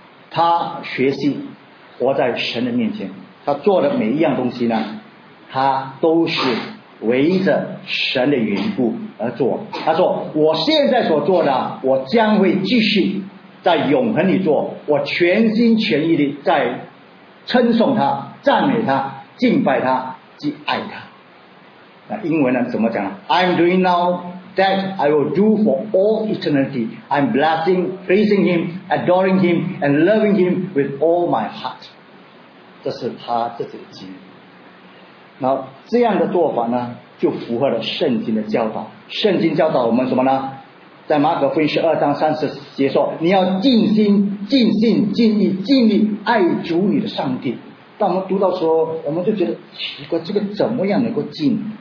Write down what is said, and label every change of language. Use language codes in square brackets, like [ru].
[zh] 他学习活在神的面前，他做的每一样东西呢，他都是围着神的缘故而做。他说，我现在所做的，我将会继续在永恒里做，我全心全意地在称颂他，赞美他，敬拜他，及爱他。那英文呢怎么讲呢？ [en] I'm doing now that I will do for all eternity. I'm blessing, praising him, adoring him, and loving him with all my heart. [zh] 这是他自己的经历。那这样的做法呢，就符合了圣经的教导。圣经教导我们什么呢？在马可福音12:30说，你要尽心、尽性、尽意、尽力爱主你的上帝。当我们读到说，我们就觉得奇怪，这个怎么样能够尽？